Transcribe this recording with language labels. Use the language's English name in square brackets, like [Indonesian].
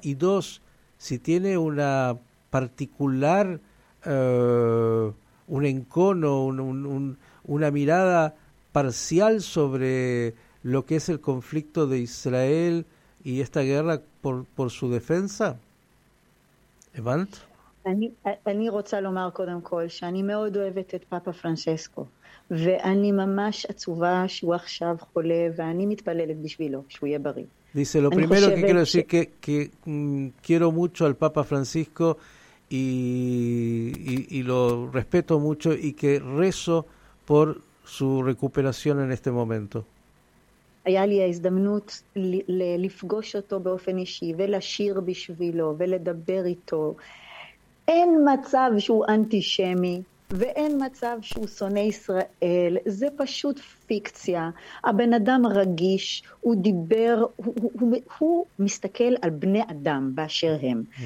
[Spanish] Y 2, si tiene una particular, un encono, una mirada parcial sobre lo que es el conflicto de Israel y esta guerra por su defensa? ¿Evant? [Hebrew] אני רוצה לומר קודם כל שאני מאוד אוהבת את פאפה פרנצ'סקו ואני ממש עצובה שהוא עכשיו חולה ואני מתפללת בשבילו שהוא יהיה בריא. [Spanish] Dice lo primero que quiero decir que quiero mucho al Papa Francisco y lo respeto mucho y que rezo por su recuperación en este momento. [Hebrew] היה לי ההזדמנות לפגוש אותו באופן אישי ולשיר בשבילו ולדבר איתו. אין מצב שהוא אנטישמי, ואין מצב שהוא שונא ישראל, זה פשוט פיקציה. הבן אדם רגיש, הוא דיבר, הוא מסתכל על בני אדם באשר הם.